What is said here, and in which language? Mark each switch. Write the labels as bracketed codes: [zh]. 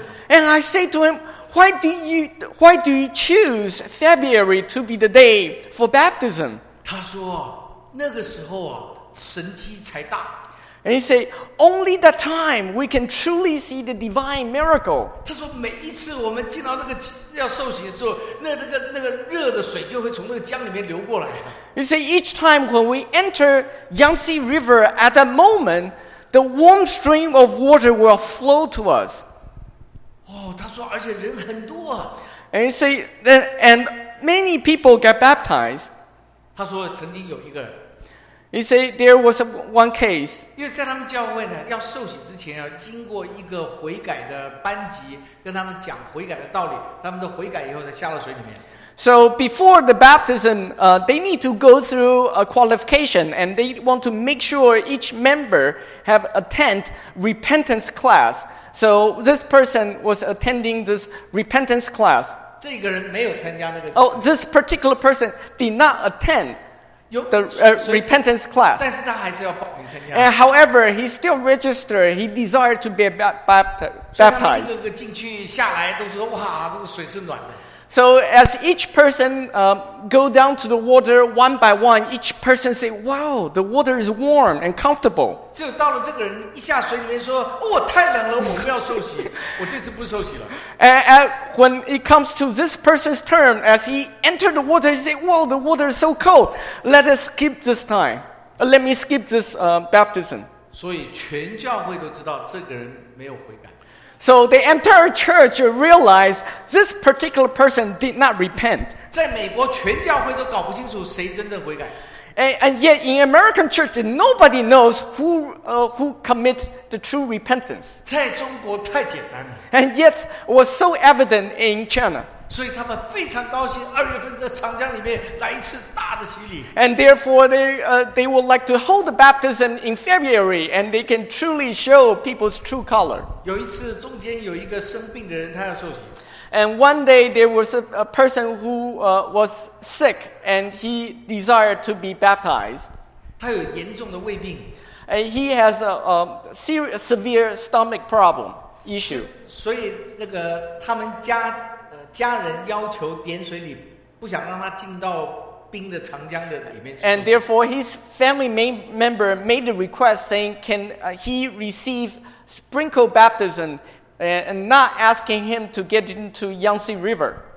[en] And I say to him, why do you choose February to be the day for baptism? [zh] 他说那个时候啊，神迹才大。 [en] And he said, only that time we can truly see the divine miracle. [zh] 他说每一次我们进到那个要受洗的时候，那个热的水就会从那个江里面流过来。 [en] He said, each time when we enter Yangtze River, at that moment, the warm stream of water will flow to us. [zh] 哦，他说而且人很多啊。 [en] And he said, and many people get baptized. [zh] 他说曾经有一个人 [en] He said there was one case. [zh] 因为在他们教会呢，要受洗之前要经过一个悔改的班级，跟他们讲悔改的道理，他们都悔改以后才下到水里面。 [en] So before the baptism, they need to go through a qualification, and they want to make sure each member have attend repentance class. So this person was attending this repentance class. [zh] 这个人没有参加那个。 [en] Oh, this particular person did not attend the repentance class. [zh] 但是他还是要报名参加。 [en] And however, he still registered. He desired to be baptized. [zh] 所以他们一个个进去下来都说，哇，这个水是暖的。 [en] So as each person go down to the water one by one, each person say, "Wow, the water is warm and comfortable." [zh] 只有到了这个人一下水里面说，哦，太冷了，我不要受洗，我这次不受洗了。 [en] And when it comes to this person's turn, as he entered the water, he say, "Wow, the water is so cold. Let us skip this time. Let me skip this baptism." [zh] 所以全教会都知道这个人没有悔改。 [en] So the entire church realized this particular person did not repent. [zh] 在美国全教会都搞不清楚谁真正悔改。 [en] And yet in American church, nobody knows who commits the true repentance. [zh] 在中国太简单了。 [en] And yet it was so evident in China. [zh] 所以他们非常高兴，二月份在长江里面来一次大的洗礼。 [en] And therefore they would like to hold the baptism in February, and they can truly show people's true color. [zh] 有一次中间有一个生病的人，他要受洗。 [en] And one day there was a person who was sick, and he desired to be baptized. [zh] 他有严重的胃病。 [en] And he has a severe stomach problem issue. [zh] 所以那个他们家人要求点水礼，不想让他进到冰的长江的里面。 [en] And therefore, his family member made a request saying, "Can he receive sprinkle baptism and not asking him to get into Yangtze River.